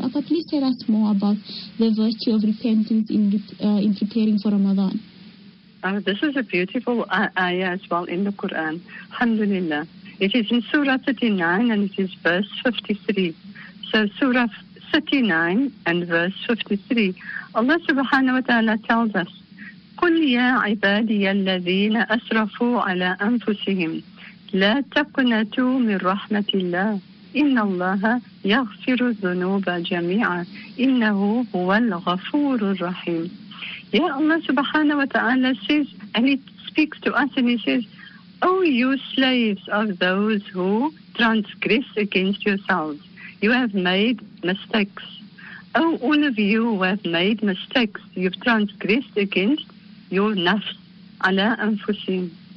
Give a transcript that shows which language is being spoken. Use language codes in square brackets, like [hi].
[en] So, Apa, please tell us more about the virtue of repentance in preparing for Ramadan. This is a beautiful ayah as well in the Quran. Alhamdulillah. It is in Surah 39 and it is verse 53. So Surah 39 and verse 53. Allah subhanahu wa ta'ala tells us, [ar] قُلْ يَا عِبَادِيَ الَّذِينَ أَسْرَفُوا عَلَىٰ أَنفُسِهِمْ لَا تَقْنَتُوا مِنْ رَحْمَةِ اللَّهِ إِنَّ اللَّهَ يَغْفِرُ الذُّنُوبَ جَمِيعًا إِنَّهُ هُوَ الْغَفُورُ الرَّحِيمُ. [en] Ya Allah subhanahu wa ta'ala says, and he speaks to us and he says, O you slaves of those who transgress against yourselves, you have made mistakes. O all of you who have made mistakes, you've transgressed against your nafs, ala anfusim.